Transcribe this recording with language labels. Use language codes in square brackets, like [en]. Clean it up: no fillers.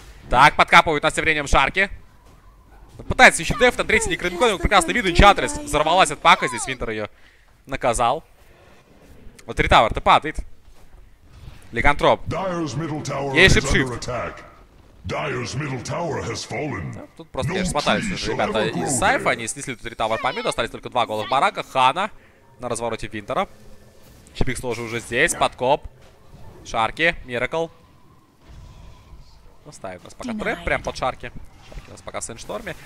[ru] Так, подкапывают нас тем временем Шарки. Пытается еще деф, там третий некромикон, он прекрасно видит, Чатрис взорвалась от пака, здесь Винтер ее наказал. Вот ретавер-то падает. Ликантроп. Есть шипшифт. [en] Dire's middle tower has fallen. [ru] Тут просто, конечно, смотались уже ребята из Сайфа. Они снесли тут 3 тавера помидора, остались только 2 голых барака. Хана на развороте Винтера. Чипикс тоже уже здесь, подкоп. Шарки, Миракл. Ставит нас пока трэп прям под шарки. Шарки у нас пока в Сэндшторме.